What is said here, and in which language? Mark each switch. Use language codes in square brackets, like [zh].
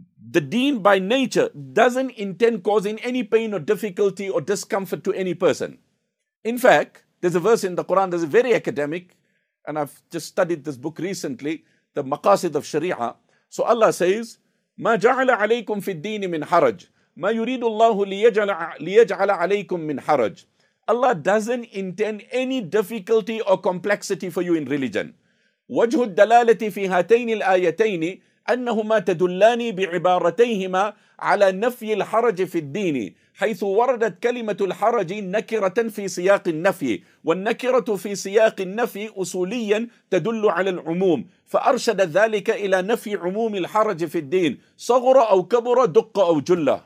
[en] The deen by nature doesn't intend causing any pain or difficulty or discomfort to any person. In fact, there's a verse in the Quran that is very academic, and I've just studied this book recently, the Maqasid of Sharia. So Allah says, [ar] مَا جَعَلَ عَلَيْكُمْ فِي الدِّينِ مِنْ حَرَجٍ مَا يُرِيدُ اللَّهُ لِيَجْعَلَ عَلَيْكُمْ مِنْ حَرَجٍ. [en] Allah doesn't intend any difficulty or complexity for you in religion. [ar] وَجْهُ الدَّلَالَةِ فِي هَاتَيْنِ الْآيَتَيْنِ أَنَّهُمَا تَدُلَّانِ بِعِبَارَتَيْهِمَا عَلَى نَفْيِ الْحَرَجِ فِي الدِّينِ حَيْثُ وَرَدَتْ كَلِمَةُ الْحَرَجِ نَكِرَةً فِي سِيَاقِ النَّفْيِ وَالنَّكِرَةُ فِي سِيَاقِ النَّفْيِ أُصُولِيًّا تَدُلُّ عَلَى الْعُمُومِ فَأَرْشَدَ ذَلِكَ إِلَى نَفْيِ عُمُومِ الْحَرَجِ فِي الدِّينِ صَغُرَ أَوْ كَبُرَ دُقَّ أَوْ جُلَّ.